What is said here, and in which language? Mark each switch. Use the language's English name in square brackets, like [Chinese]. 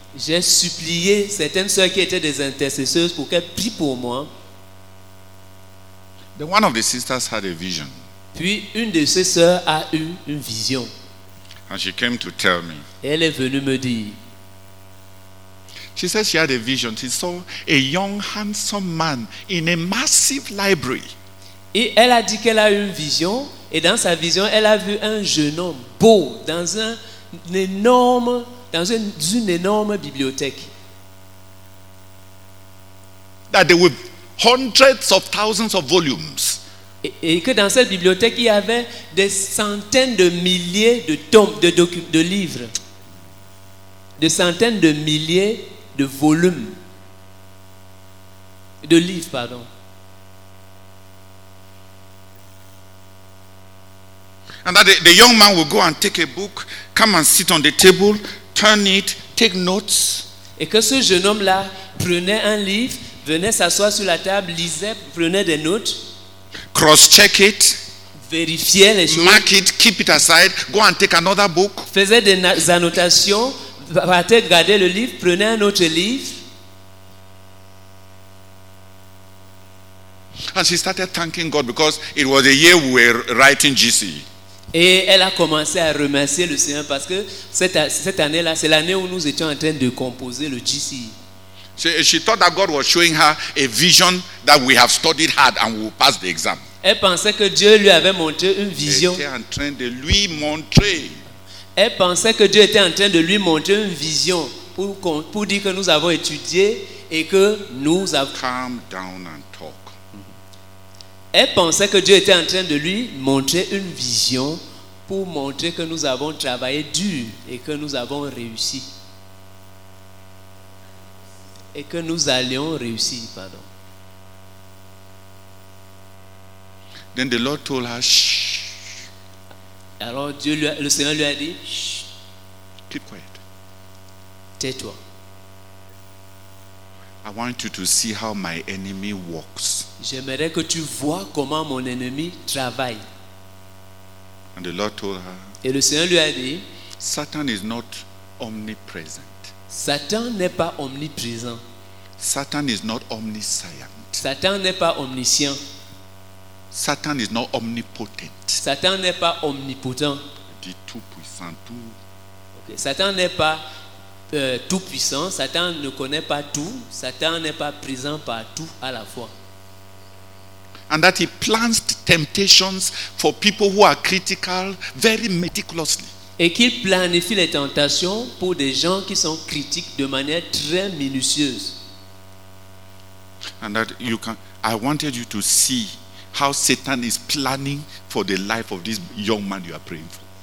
[French] J'ai supplié certaines sœurs qui étaient des intercesseuses pour qu'elles prient pour moi. [English] Then one of the sisters had a vision. [French] Puis une de ses sœurs a eu une vision. [English] And she came to tell me. [French] Elle est venue me dire. [English] She said she had a vision. She saw a young, handsome man in a massive library. [French] Et elle a dit qu'elle a eu une vision. Et dans sa vision, elle a vu un jeune homme beau dans une énorme bibliothèque. [English] That there were hundreds of thousands of volumes. [French] Et que dans cette bibliothèque, il y avait des centaines de milliers de tomes, de livres. Des centaines de milliers de volumes. De livres, pardon. [English] And that the young man will go and take a book, come and sit on the table, turn it, take notes. [French] Et que ce jeune homme-là prenait un livre, venait s'asseoir sur la table, lisait, prenait des notes. [English] Cross-check it. [French] vérifiait les choses. [English] Mark it, keep it aside, go and take another book. [French] Faisait des annotations, partait garder le livre, prenait un autre livre. [English] And she started thanking God because it was a year we were writing GC. [French] Et elle a commencé à remercier le Seigneur parce que cette année-là, c'est l'année où nous étions en train de composer le GC. [English] She thought that God was showing her a vision that we have studied hard and we will pass the exam. [French] Elle pensait que Dieu lui avait montré une vision. Était en train de lui montrer. Elle pensait que Dieu était en train de lui montrer une vision pour dire que nous avons étudié et que nous avons. [English] Calm down and talk. [French] Elle pensait que Dieu était en train de lui montrer une vision pour montrer que nous avons travaillé dur et que nous avons réussi. Et que nous allions réussir, pardon. [English] Then the Lord told her, shh. [French] Alors Dieu le Seigneur lui a dit, shh. [English] Keep quiet. [French] Tais-toi. [English] I want you to see how my enemy works. [French] J'aimerais que tu vois comment mon ennemi travaille. [English] And the Lord told her, [French] et le Seigneur lui a dit, [English] Satan is not omnipresent. [French] Satan n'est pas omniprésent. [English] Satan is not omniscient. [French] Satan n'est pas omniscient. [English] Satan is not omnipotent. [French] Satan n'est pas omnipotent. Dit tout puissant tout. Okay. Satan n'est pas tout puissant. Satan ne connaît pas tout. Satan n'est pas présent partout à la fois. [English] And that he plans temptations for people who are critical very meticulously. [French] Et qu'il planifie les tentations pour des gens qui sont critiques de manière très minutieuse. [English] And that you can, I wanted you to see how Satan is planning for the life of this young man you are praying for.